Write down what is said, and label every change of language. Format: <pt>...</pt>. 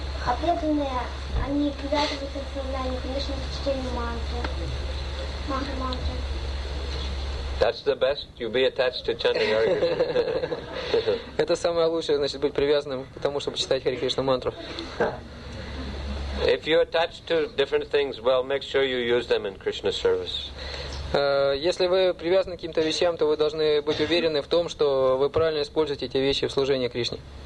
<ru>А преданные, они привязываются к сознанию, конечно, к чтению мантры.</ru> <en>That's the best. You be attached to chanting Hare Krishna.</en> <ru>Это самое лучшее, значит, быть привязанным к тому, чтобы читать Хари Кришна мантру.</ru> <en>If you attach to different things, well, make sure you use them in Krishna service.</en> <ru>Если вы привязаны к каким-то вещам, то вы должны быть уверены в том, что вы правильно используете эти вещи в служении Кришне.</ru>